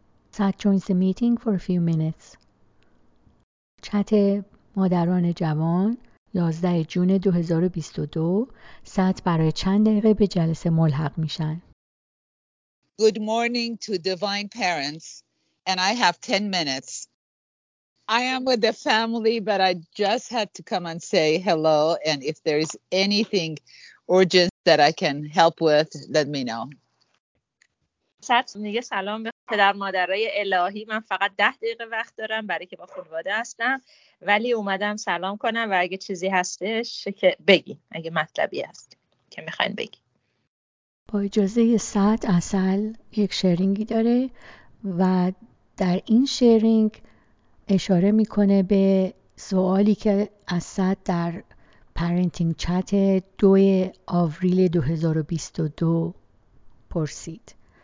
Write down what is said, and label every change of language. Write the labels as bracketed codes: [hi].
[en] Sat joins the meeting for a few minutes. [fa] چت مادران جوان 11 جون 2022 سات برای چند دقیقه به جلسه ملحق میشن. [en] Good morning to divine parents and I have 10 minutes. I am with the family but I just had to come and say hello and if there is anything urgent that I can help with let me know. [fa] سات میگه سلام به پدر مادرای الهی من فقط 10 دقیقه وقت دارم برای که با خانواده هستم ولی اومدم سلام کنم و اگه چیزی هستش که بگی اگه مطلبی هست که میخواین بگی. با اجازه سات اصل یک شیرینگی داره و در این شیرینگ اشاره میکنه به سوالی که اسد در پرنتینگ چت 2 آوریل 2022 پرسید.